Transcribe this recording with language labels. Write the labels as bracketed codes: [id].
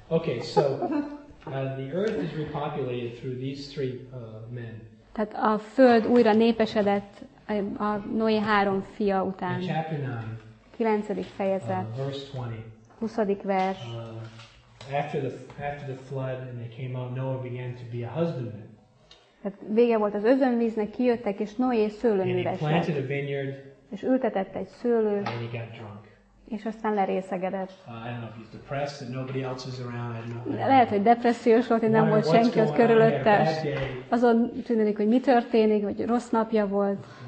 [en] Okay, so the earth is repopulated through these three men. [hu] Tehát a föld újra népesedett a Noé három fia után. [en] In chapter 9. [hu] 9. fejezet. [en] Verse 20. [hu] 20. vers. [en] After the flood and they came out, Noah began to be a husbandman. [hu] Tehát vége volt az özönvíznek, kijöttek és Noé szőlőművesett. [en] And he planted a vineyard. [hu] És ültetett egy szőlőt. [en] And he got drunk. [hu] És aztán lerészegedett. [en] I don't know if he's depressed and nobody else is around. I don't know. [hu] Lehet, hogy depressziós volt, hogy nem volt senki ott körülötte. Azon tűnik, hogy mi történik, vagy rossz napja volt.